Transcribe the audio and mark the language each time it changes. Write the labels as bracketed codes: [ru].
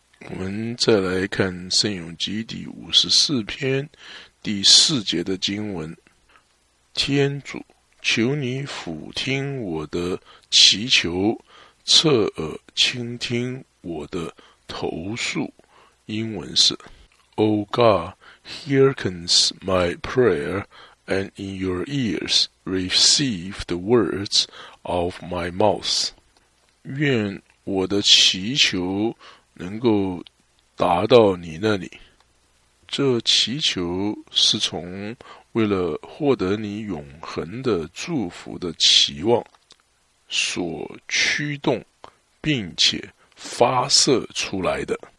[zh] 我们再来看圣咏集第54篇第四节的经文，天主，求你俯听我的祈求，侧耳倾听我的投诉。英文是 [en] O God, hearkens my prayer, and in your ears receive the words of my mouth. [zh] 愿我的祈求能够达到你那里。这祈求是从为了获得你永恒的祝福的期望所驱动并且发射出来的。